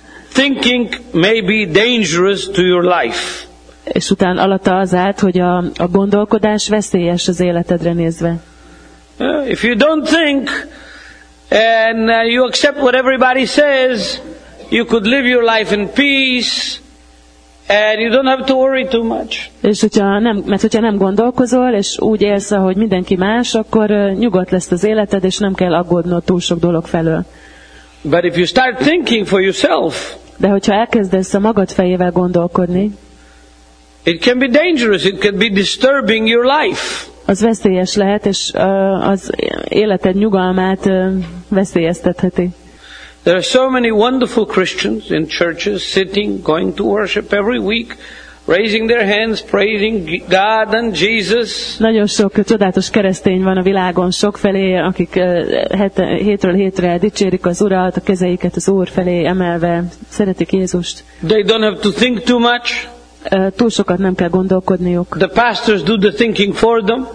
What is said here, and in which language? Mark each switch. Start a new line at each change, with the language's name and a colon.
English: Thinking may be dangerous to your life.
Hungarian: És utána alatta az állt, hogy a gondolkodás veszélyes az életedre nézve.
English: If you don't think and you accept what everybody says, you could live your life in peace and you don't have to worry too much.
Hungarian: És hogyha nem gondolkozol és úgy élsz, ahogy mindenki más, akkor nyugodt lesz az életed és nem kell aggódnod túl sok dolog felől.
English: But if you start thinking for yourself,
Hungarian: de hogyha elkezdesz a magad fejével gondolkodni,
English: it can be dangerous, it can be disturbing your life.
Hungarian: Az veszélyes lehet, és az életed nyugalmát veszélyeztetheti.
English: There are so many wonderful Christians in churches sitting, going to worship every week, raising their hands, praising God and Jesus.
Hungarian: Nagyon sok csodálatos keresztény van a világon sokfelé, akik hétről hétre dicsérik az Urat, a kezeiket az Úr felé emelve, szeretik Jézust.
English: They don't have to think too much.
Hungarian: Túl sokat nem kell gondolkodniuk.
English: The pastors do the thinking for them.